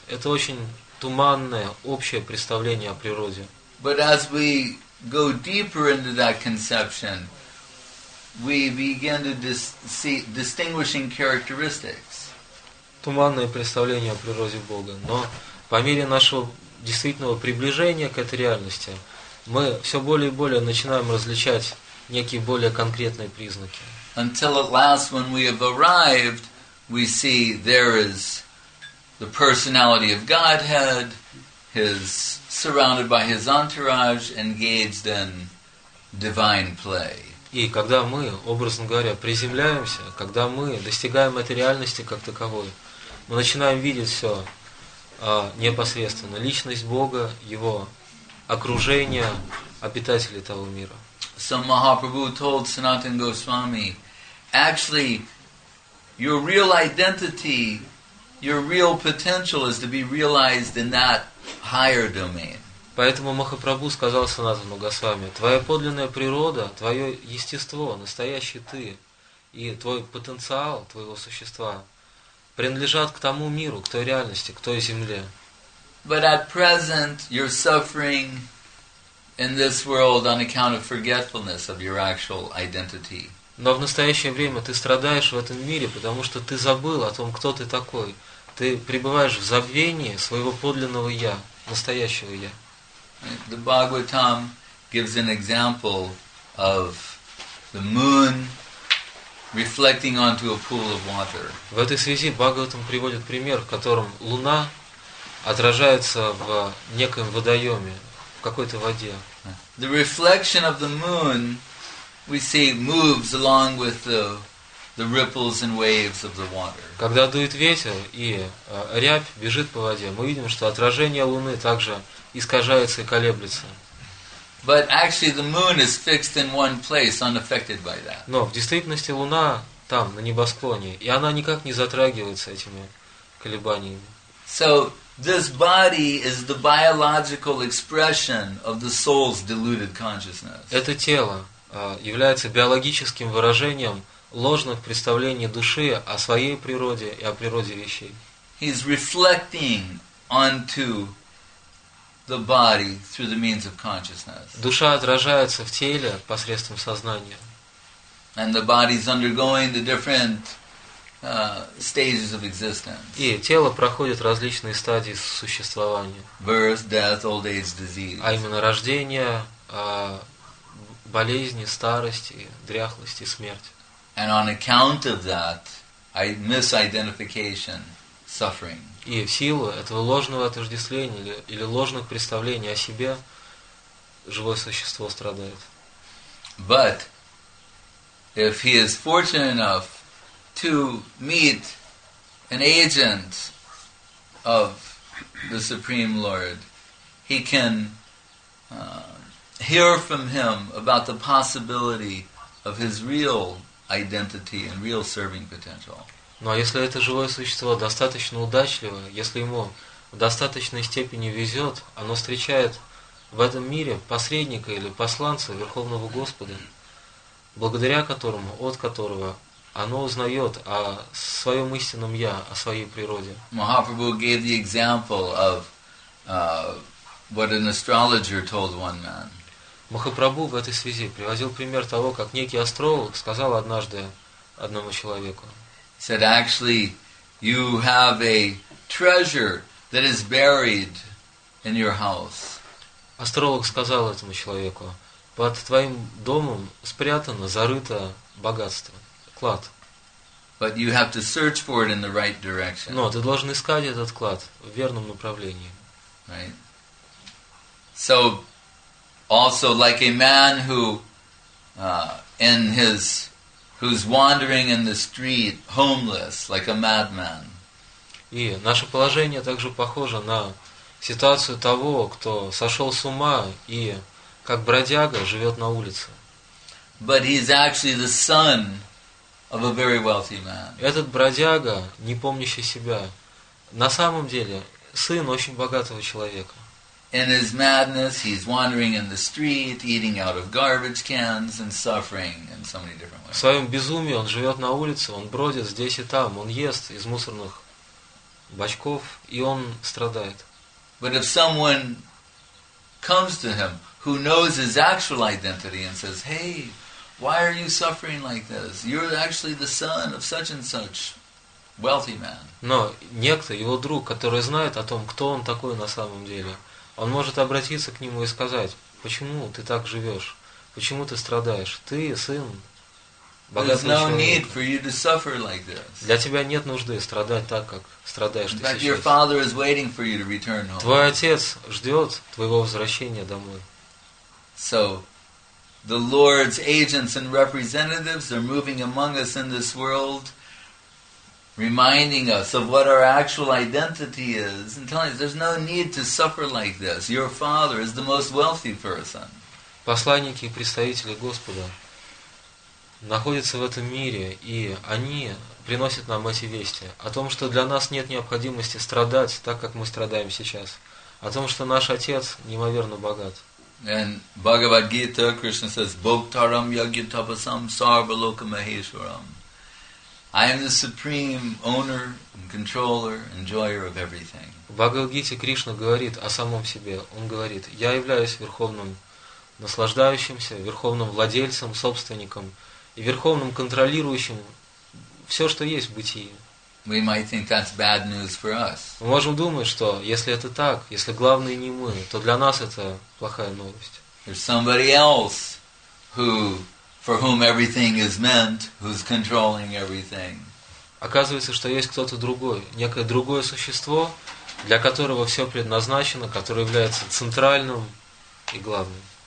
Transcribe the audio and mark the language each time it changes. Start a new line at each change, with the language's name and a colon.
Russian: Это очень туманное общее представление о природе.
English: But as we go deeper into that conception, we begin to see distinguishing characteristics.
Russian: Туманное представление о природе Бога, но по мере нашего действительного приближения к этой реальности, мы все более и более начинаем различать некие более конкретные признаки.
English: Until at last, when we have arrived, we see there is the personality of Godhead, his surrounded by his entourage, engaged in divine play.
Russian: И когда мы, образно говоря, приземляемся, когда мы достигаем этой реальности как таковой, мы начинаем видеть все непосредственно. Личность Бога, Его окружение, обитатели того мира.
English: So Mahaprabhu told Sanatan Goswami, actually, your real identity, your real potential is to be realized in that higher domain.
Russian: Поэтому Махапрабху сказал Санатану Госвами, твоя подлинная природа, твое естество, настоящий ты и твой потенциал, твоего существа принадлежат к тому миру, к той реальности, к той земле.
English: But at present you're suffering in this world on account of forgetfulness of your actual identity.
Russian: Но в настоящее время ты страдаешь в этом мире, потому что ты забыл о том, кто ты такой. Ты пребываешь в забвении своего подлинного «я», настоящего «я».
English: The Bhagavatam gives an example of the moon reflecting onto a pool of water.
Russian: В этой связи Бхагаватам приводит пример, в котором луна отражается в неком водоеме, в какой-то воде.
English: The reflection of the moon, we see, moves along with the ripples and waves of the water.
Russian: Когда дует ветер и рябь бежит по воде, мы видим, что отражение луны также искажается и колеблется.
English: But actually, the moon is fixed in one place, unaffected by that.
Russian: Но в действительности луна там на небосклоне, и она никак не затрагивается этими колебаниями.
English: So this body is the biological expression of the soul's deluded consciousness.
Russian: Это тело является биологическим выражением ложных представлений души о своей природе и о природе вещей.
English: He's reflecting onto the body through the means of consciousness.
Russian: Душа отражается в теле посредством сознания.
English: And the body is undergoing the different stages of existence.
Russian: И тело проходит различные стадии существования.
English: Birth, death, old age, disease.
Russian: А именно рождение, болезни, старости, дряхлости, смерть.
English: And on account of that, misidentification, suffering.
Russian: И в силу этого ложного отождествления или ложных представлений о себе живое существо страдает.
English: But if he is fortunate enough to meet an agent of the Supreme Lord, he can hear from him about the possibility of his real identity and real serving potential.
Russian: Но если это живое существо достаточно удачливо, если ему в достаточной степени везет, оно встречает в этом мире посредника или посланца Верховного Господа, благодаря которому, от которого оно узнает о своем истинном «я», о своей природе.
English: Mahaprabhu gave the example of what an astrologer told one man.
Russian: Махапрабху в этой связи приводил пример того, как некий астролог сказал однажды одному человеку.
English: Said actually, you have a treasure that is buried in your house.
Russian: Астролог сказал этому человеку: под твоим домом спрятано, зарыто богатство, клад.
English: But you have to search for it in the right direction.
Russian: Но ты должен искать этот клад в верном направлении.
English: Right. So also like a man who in his who's wandering in the street homeless like a madman.
Russian: И наше положение также похоже на ситуацию того, кто сошел с ума и как бродяга живет на улице.
English: But he's actually the son of a very wealthy man.
Russian: Этот бродяга, не помнящий себя, на самом деле сын очень богатого человека.
English: In his madness, he's wandering in the street, eating out of garbage cans and suffering in so many different ways.
Russian: В своем безумии он живет на улице, он бродит здесь и там, он ест из мусорных бачков, и он страдает.
English: But if someone comes to him who knows his actual identity and says, "Hey, why are you suffering like this? You're actually the son of such and such wealthy man."
Russian: Но некто, его друг, который знает о том, кто он такой на самом деле, он может обратиться к нему и сказать, почему ты так живешь? Почему ты страдаешь? Ты сын богатого человека. Для тебя нет нужды страдать так, как страдаешь ты сейчас. Твой отец ждет твоего возвращения домой.
English: So, the Lord's agents and representatives are moving among us in this world, reminding us of what our actual identity is, and telling us there's no need to suffer like this. Your father is the most wealthy person.
Russian: Посланники и представители Господа находятся в этом мире, и они приносят нам эти вести о том, что для нас нет необходимости страдать так, как мы страдаем сейчас, о том, что наш отец неимоверно богат.
English: And Bhagavad Gita, Krishna says,
Sanskrit: Bhoktaram Yagyatapasam Sarva Loka Maheshwaram.
English: I am the supreme owner and controller, enjoyer of everything.
Russian: Бхагавад-гите Кришна говорит о самом себе. Он говорит: "Я являюсь верховным наслаждающимся, верховным владельцем, собственником и верховным контролирующим все, что есть в бытии."
English: We might think that's bad news for us.
Russian: Мы можем думать, что если это так, если главный не мы, то для нас это плохая новость.
English: There's somebody else who for whom everything is meant, who's controlling everything.
Russian: Оказывается, что есть кто-то другой, некое другое существо, для которого все предназначено, которое является центральным и главным.